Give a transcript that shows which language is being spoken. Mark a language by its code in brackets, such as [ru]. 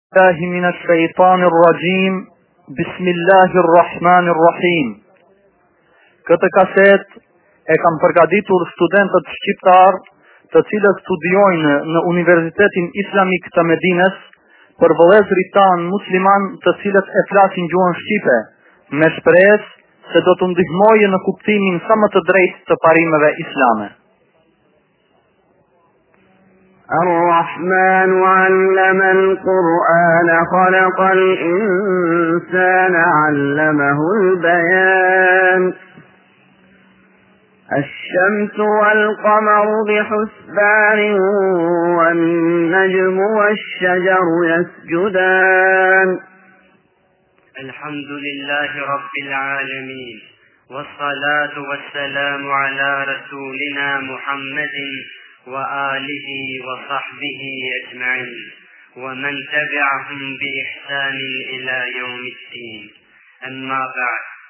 [ar] بالله من الشيطان الرجيم بسم الله الرحمن الرحيم [sq] Këtë kaset e kam përgatitur studentët shqiptar të cilët studiojnë në Universitetin Islamik të Medinës për vëllezrit tan musliman të cilët e flasin gjuhën shqipe me shpresë se do të ndihmojë në kuptimin sa më të drejtë të parimeve islame. [ar] الرحمن علم القرآن خلق الإنسان علمه البيان الشمس والقمر بحسبان والنجم والشجر يسجدان الحمد لله رب العالمين والصلاة والسلام على رسولنا محمد وآله وصحبه أجمعين ومن تبعهم بإحسان إلى يوم الدين أما بعد